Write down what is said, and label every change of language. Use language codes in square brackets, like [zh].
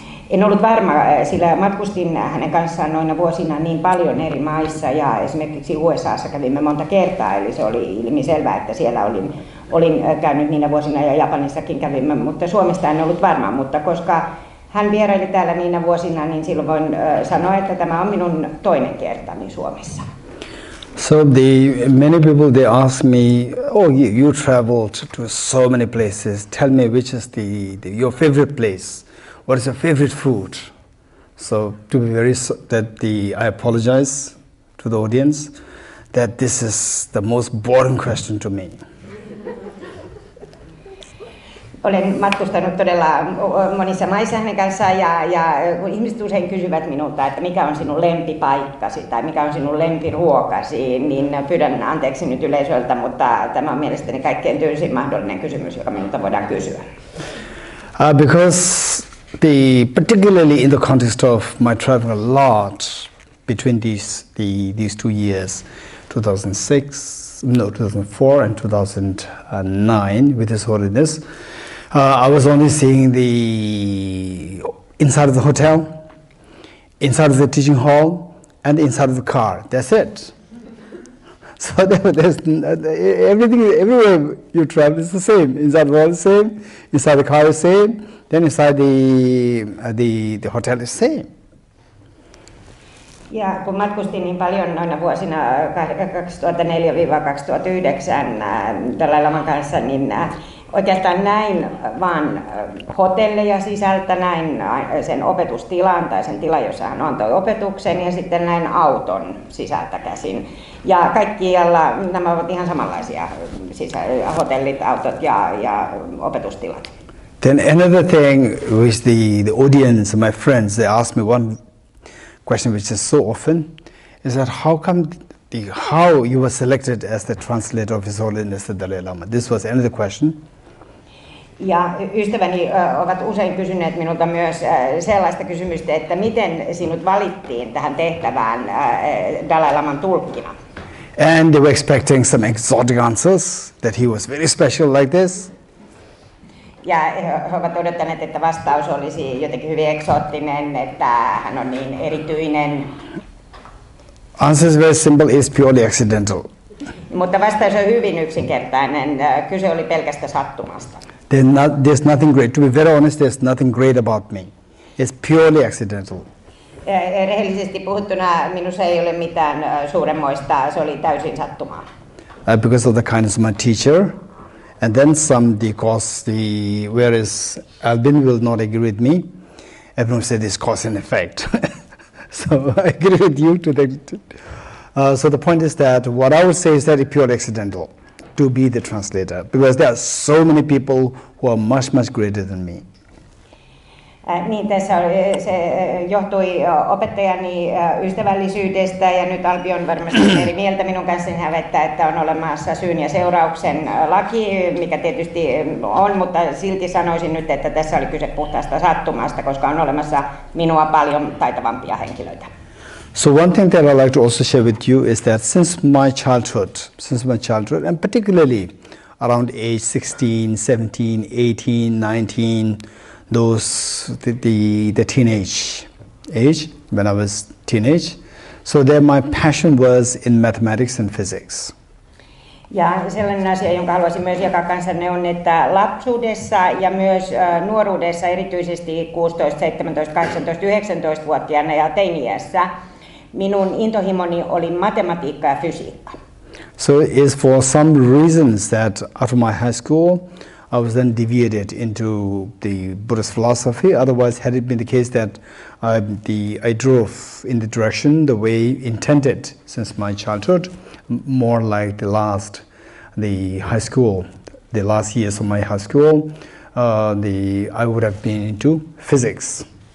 [fi] en ollut varma, sillä matkustin hänen kanssaan noina vuosina niin paljon eri maissa, ja esimerkiksi USAssa kävimme monta kertaa, eli se oli ilmiselvää, että siellä olin käynyt niinä vuosina, ja Japanissakin kävimme, mutta Suomesta en ollut varma, mutta koska hän vieraili täällä niinä vuosina, niin silloin voin sanoa, että tämä on minun toinen kertani Suomessa. [en] So the many people they ask me, oh, you traveled to so many places. Tell me which is the your favorite place. What is your favorite food? So to be very that the I apologize to the audience that this is the most boring question to me. [fi] Olen matkustanut todella monissa maissa hänen kanssaan ja ihmiset usein kysyvät minulta, että mikä on sinun lempipaikkasi tai mikä on sinun lempiruokasi, niin pyydän anteeksi nyt yleisöltä, mutta tämä on mielestäni kaikkein tyysin mahdollinen kysymys, joka minulta voidaan kysyä. [en] Because the particularly in the context of my travel a lot between these 2 years, 2004 and 2009 with His Holiness, I was only seeing the inside of the hotel, inside of the teaching hall, and inside of the car. That's it. So there's everything, everywhere you travel is the same. Inside the hall is the same, inside the car is the same, then inside the hotel is the same. [fi] Ja kun matkustin niin paljon noina vuosina 2004-2009 Dalai Laman kanssa, niin oikeastaan näin vaan hotelleja sisältä, näin sen opetustilan tai sen tilan, jossa hän antoi opetuksen, ja sitten näin auton sisältä käsin. Ja kaikkialla nämä ovat ihan samanlaisia, siis hotellit, autot ja opetustilat. [en] Then another thing which the audience, my friends, they asked me one question which is so often, is that how you were selected as the translator of His Holiness the Dalai Lama? This was another question. [fi] Ja ystäväni ovat usein kysyneet minulta myös sellaista kysymystä, että miten sinut valittiin tähän tehtävään Dalai Laman tulkkina? [en] And they were expecting some exotic answers, that he was very special like this. [fi] Ja he ovat odottaneet, että vastaus olisi jotenkin hyvin eksoottinen, että hän on niin erityinen. [en] Answer is very simple, it's purely accidental. [fi] Mutta vastaus on hyvin yksinkertainen, kyse oli pelkästä sattumasta. [en] There's nothing great, to be very honest, there's nothing great about me. It's purely accidental. [fi] Rehellisesti puhuttuna minussa ei ole mitään suuremmoista, se oli täysin sattumaa. [en] Because of the kindness of my teacher. And then some, because the whereas Albin will not agree with me, everyone said it's cause and effect. So I agree with you to that. So the point is that what I would say is that it's purely accidental to be the translator, because there are so many people who are much, much greater than me. [fi] Niin tässä se johtui opettajani ystävällisyydestä ja nyt Albi on varmasti eri mieltä minun kanssani hävettä, että on olemassa syyn ja seurauksen laki, mikä tietysti on, mutta silti sanoisin nyt, että tässä oli kyse puhtaasta sattumasta, koska on olemassa minua paljon taitavampia henkilöitä. [en] So one thing that I like to also share with you is that since my childhood and particularly around age 16, 17, 18, 19, the teenage age, when I was teenage. So there my passion was in mathematics and physics. [fi] Ja sellainen asia, jonka haluaisin myös jakaa kanssanne, on, että lapsuudessa ja myös nuoruudessa, erityisesti 16, 17, 18, 19-vuotiaana ja teiniässä, minun intohimoni oli matematiikka ja fysiikka. [en] So it's for some reasons that after my high school, I was then deviated into the Buddhist philosophy. Otherwise, had it been the case that I drove in the direction the way intended since my childhood, more like the last years of my high school, I would have been into physics.